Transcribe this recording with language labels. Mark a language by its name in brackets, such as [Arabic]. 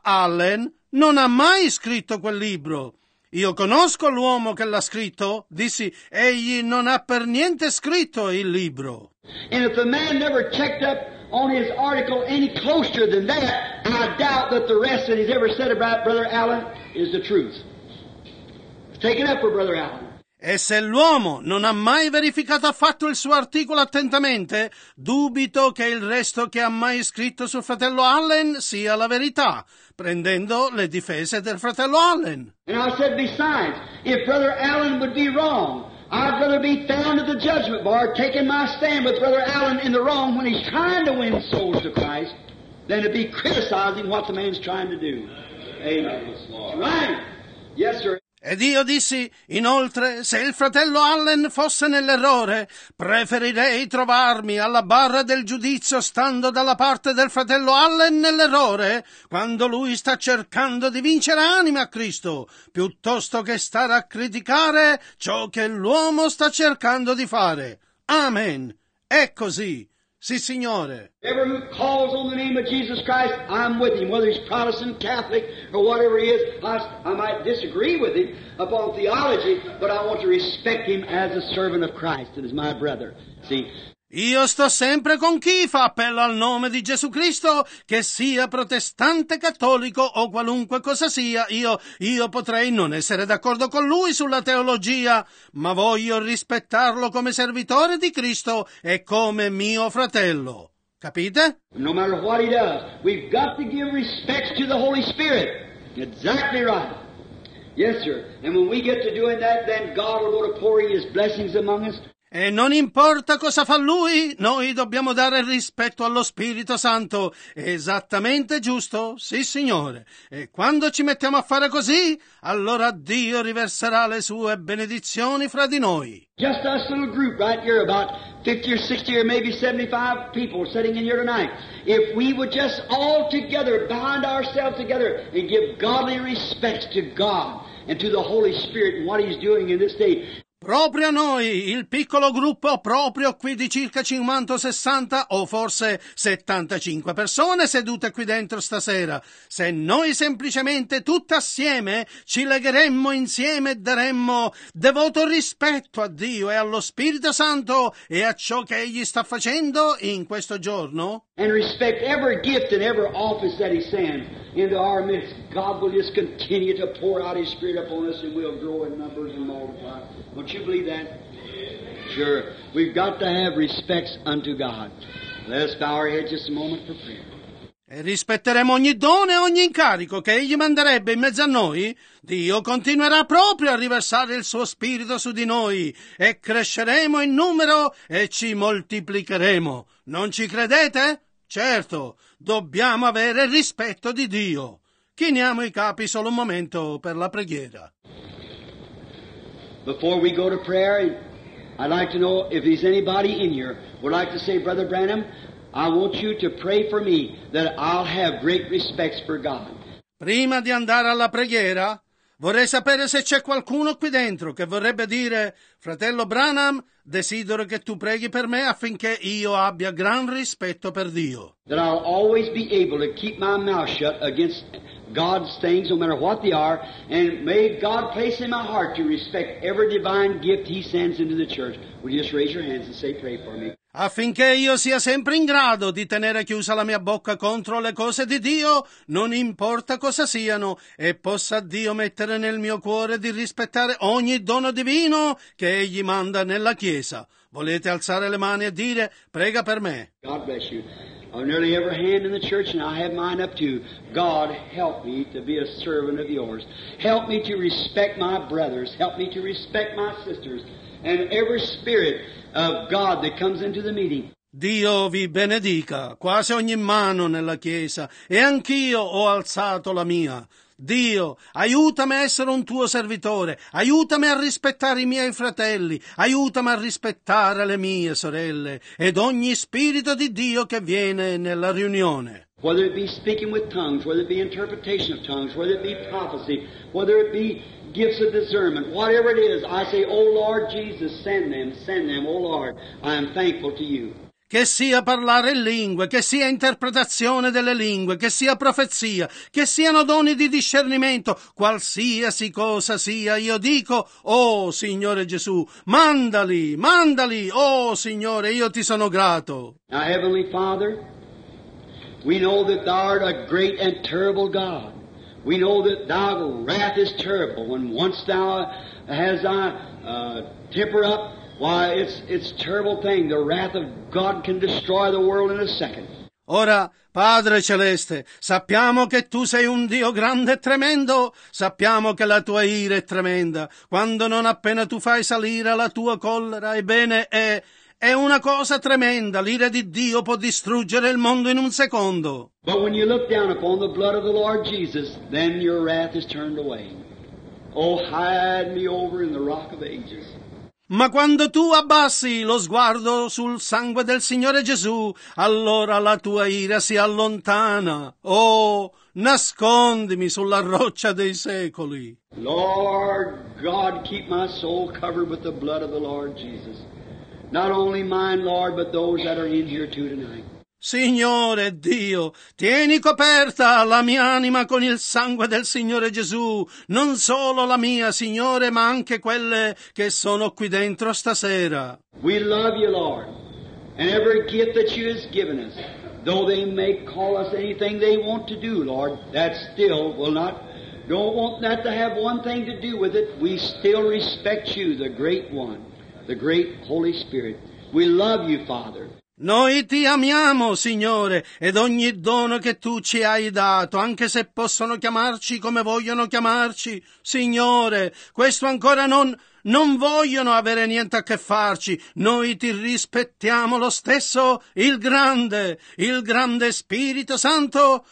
[Italian] Allen non ha mai scritto quel libro. Io conosco l'uomo che l'ha scritto, dissi, egli non ha per niente scritto il libro. [English] And if the man never checked up on his article any closer than that, I doubt that the rest that he's ever said about Brother Allen is the truth. Take it up for Brother Allen. [Italian] E se l'uomo non ha mai verificato affatto il suo articolo attentamente, dubito che il resto che ha mai scritto sul fratello Allen sia la verità, prendendo le difese del fratello Allen. [English] And I said, besides, if Brother Allen would be wrong, I'd rather be found at the judgment bar taking my stand with Brother Allen in the wrong when he's trying to win souls to Christ than to be criticizing what the man's trying to do. Amen. Right. Yes, sir. [Italian] Ed io dissi, inoltre, se il fratello Allen fosse nell'errore, preferirei trovarmi alla barra del giudizio stando dalla parte del fratello Allen nell'errore, quando lui sta cercando di vincere anime a Cristo, piuttosto che stare a criticare ciò che l'uomo sta cercando di fare. Amen. È così. Sì, Signore. [English] Whoever calls on the name of Jesus Christ, I'm with him. Whether he's Protestant, Catholic, or whatever he is, I might disagree with him upon theology, but I want to respect him as a servant of Christ and as my brother. See? [Italian] Io sto sempre con chi fa appello al nome di Gesù Cristo, che sia protestante, cattolico o qualunque cosa sia. Io potrei non essere d'accordo con lui sulla teologia, ma voglio rispettarlo come servitore di Cristo e come mio fratello. Capite? [English] No matter what he does, we've got to give respect to the Holy Spirit. Exactly right. Yes, sir. And when we get to doing that, then God will go to pouring his blessings among us. [Italian] E non importa cosa fa lui, noi dobbiamo dare rispetto allo Spirito Santo. Esattamente giusto, sì signore. E quando ci mettiamo a fare così, allora Dio riverserà le sue benedizioni fra di noi. [English] Just us little group right here, about 50 or 60 or maybe 75 people sitting in here tonight. If we would just all together bind ourselves together and give godly respects to God and to the Holy Spirit and what he's doing in this day. [Italian] Proprio noi, il piccolo gruppo proprio qui di circa 50 o 60 o forse 75 persone sedute qui dentro stasera, se noi semplicemente tutti assieme ci legheremmo insieme e daremmo devoto rispetto a Dio e allo Spirito Santo e a ciò che Egli sta facendo in questo giorno. [English] And respect every gift and every office that he sends into our midst. God will just continue to pour out his Spirit upon us and we'll grow in numbers and multiply. Don't you believe that? Sure. We've got to have respects unto God. Let's bow our heads just a moment for prayer. [Italian] E rispetteremo ogni dono e ogni incarico che Egli manderebbe in mezzo a noi, Dio continuerà proprio a riversare il suo Spirito su di noi e cresceremo in numero e ci moltiplicheremo. Non ci credete? Certo, dobbiamo avere rispetto di Dio. Chiniamo i capi solo un momento per la preghiera. [English] Before we go to prayer, I'd like to know if there's anybody in here would like to say, Brother Branham, I want you to pray for me that I'll have great respects for God. [Italian] Prima di andare alla preghiera, vorrei sapere se c'è qualcuno qui dentro che vorrebbe dire, fratello Branham, desidero che tu preghi per me affinché io abbia gran rispetto per Dio. [English] That I'll always be able to keep my mouth shut against God's things, no matter what they are, and may God place in my heart to respect every divine gift he sends into the church. Would you just raise your hands and say, pray for me. [Italian] Affinché io sia sempre in grado di tenere chiusa la mia bocca contro le cose di Dio, non importa cosa siano, e possa Dio mettere nel mio cuore di rispettare ogni dono divino che Egli manda nella Chiesa. Volete alzare le mani e dire, prega per me. [English] God bless you. I've nearly every hand in the church and I have mine up too. God, help me to be a servant of yours. Help me to respect my brothers. Help me to respect my sisters. And every spirit of God that comes into the meeting. [Italian] Dio vi benedica, quasi ogni mano nella chiesa, e anch'io ho alzato la mia. Dio, aiutami a essere un tuo servitore, aiutami a rispettare i miei fratelli, aiutami a rispettare le mie sorelle, ed ogni spirito di Dio che viene nella riunione. [English] Whether it be speaking with tongues, whether it be interpretation of tongues, whether it be prophecy, whether it be gifts of discernment, whatever it is, I say, O Lord Jesus, send them, O Lord, I am thankful to you. [Italian] Che sia parlare in lingue, che sia interpretazione delle lingue, che sia profezia, che siano doni di discernimento, qualsiasi cosa sia, io dico, oh Signore Gesù, mandali, mandali, oh Signore, io ti sono grato. [English] Now, Heavenly Father, we know that thou art a great and terrible God. We know that thy wrath is terrible, and once thou has thy temper up, why, it's a terrible thing. The wrath of God can destroy the world in a second. [Italian] Ora, Padre Celeste, sappiamo che tu sei un Dio grande e tremendo. Sappiamo che la tua ira è tremenda. Quando non appena tu fai salire la tua collera, ebbene, è una cosa tremenda. L'ira di Dio può distruggere il mondo in un secondo. [English] But when you look down upon the blood of the Lord Jesus, then your wrath is turned away. Oh, hide me over in the rock of ages. [Italian] Ma quando tu abbassi lo sguardo sul sangue del Signore Gesù, allora la tua ira si allontana. Oh, nascondimi sulla roccia dei secoli. [English] Lord God, keep my soul covered with the blood of the Lord Jesus. Not only mine, Lord, but those that are in here too tonight. [Italian] Signore Dio, tieni coperta la mia anima con il sangue del Signore Gesù, non solo la mia, Signore, ma anche quelle che sono qui dentro stasera. [English] We love you, Lord. and every gift that you have given us, though they may call us anything they want to do, Lord, that still will not, don't want that to have one thing to do with it. We still respect you, the great one, the great Holy Spirit. We love you, Father. [Italian] Noi ti amiamo, Signore, ed ogni dono che tu ci hai dato, anche se possono chiamarci come vogliono chiamarci, Signore, questo ancora non vogliono avere niente a che farci. Noi ti rispettiamo lo stesso, il grande Spirito Santo.